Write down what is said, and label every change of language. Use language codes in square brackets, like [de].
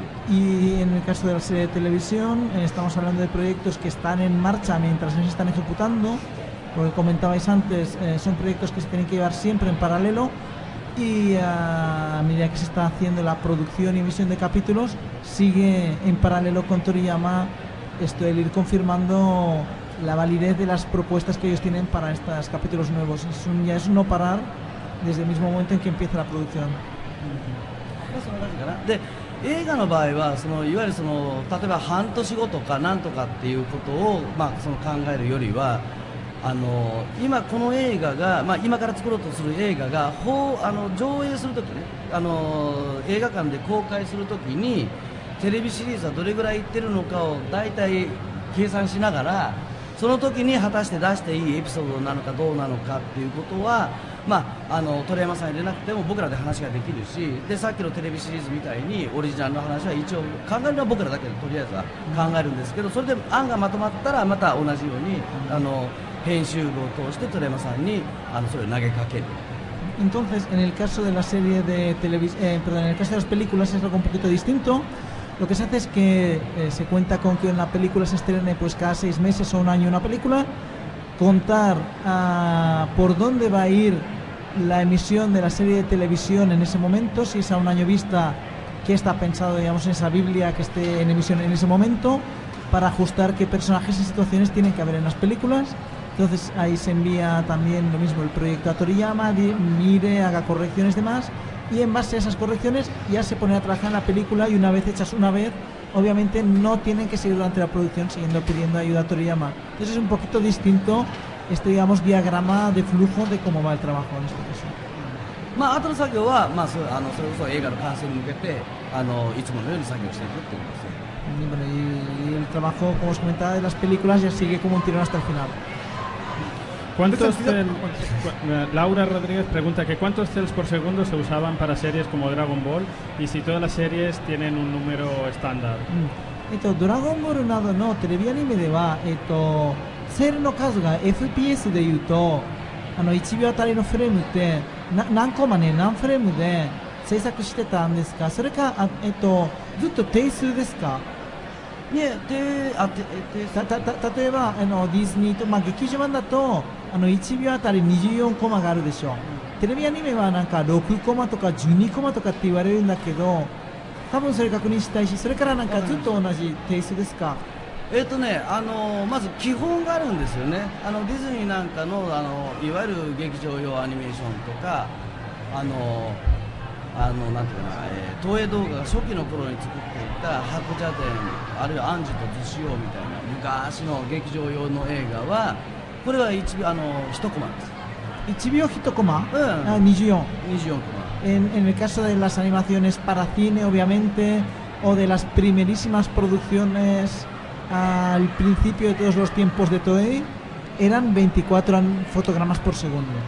[es] Y en el caso de la serie de televisión, estamos hablando de proyectos que están en marcha mientras se están ejecutando, porque comentabais antes, son proyectos que se tienen que llevar siempre en paralelo y a medida que se está haciendo la producción y emisión de capítulos, sigue en paralelo con Toriyama esto el ir confirmando la validez de las propuestas que ellos tienen para estos capítulos nuevos. Ya es no parar desde el mismo momento en que empieza la producción. [ja] その感じかな。で、映画の場合はそのいわゆるその例えば半年後とかなんとかっていうことを、まあ、その考えるよりは今この映画が、まあ、今から作ろうとする映画が上映するときね映画館で公開するときにテレビシリーズはどれぐらいいってるのかを大体計算しながらその時に果たして出していいエピソードなのかどうなのかっていうことは、まあ、鳥山さん入れなくても僕らで話ができるし、で、さっきのテレビシリーズみたいにオリジナルの話は一応考えるのは僕らだけでとりあえずは考えるんですけど、それで案がまとまったらまた同じように編集部を通して鳥山さんにそれを投げかける。 [es] Entonces, en el caso de la serie de televisión, perdón, en el caso de las películas es algo un poquito distinto. Lo que se hace es que se cuenta con que una película se estrene pues, cada seis meses o un año una película, contar por dónde va a ir la emisión de la serie de televisión en ese momento, si es a un año vista, qué está pensado digamos, en esa biblia que esté en emisión en ese momento, para ajustar qué personajes y situaciones tienen que haber en las películas. Entonces ahí se envía también lo mismo el proyecto a Toriyama, mire, haga correcciones y demás,Y en base a esas correcciones ya se pone a trabajar en la película y una vez hechas una vez, obviamente no tienen que seguir durante la producción siguiendo pidiendo ayuda a Toriyama. Entonces es un poquito distinto este, digamos, diagrama de flujo de cómo va el trabajo en este caso. [ja] まあ、後の作業は、まあ、それ、それこそ映画の完成に向けて、いつものように作業していくっていうことですね。 [es] Bueno, y el trabajo, como os comentaba, de las películas ya sigue como un tirón hasta el final. ¿Cuántos Laura Rodríguez pregunta que cuántos cells por segundo se usaban para series como Dragon Ball y si todas las series tienen un número estándar. [ja] Dragon Ball などのテレビアニメでは、セルの数が FPS でいうと、あの1秒あたりのフレームって何コマね、何フレームで制作してたんですか。それか、ずっと定数ですか。ね、で、あ、例えばあのディズニーと、まあ、劇場版だとあの1秒あたり24コマがあるでしょ。テレビアニメはなんか6コマとか12コマとかって言われるんだけど、多分それ確認したいし、それからなんかずっと同じ定数ですか。ね、まず基本があるんですよね。あのディズニーなんかの、あのいわゆる劇場用アニメーションとか、なんていうかな、東映動画が初期の頃に作っていた白蛇伝、あるいはアンジュと逗子王みたいな昔の劇場用の映画は、これは1秒、1コマです。 1秒1コマ、うん、 24コマ。 [es] En el caso de las animaciones para cine, obviamente, o de las primerísimas producciones al principio de todos los tiempos de Toei, eran 24 fotogramas por segundo.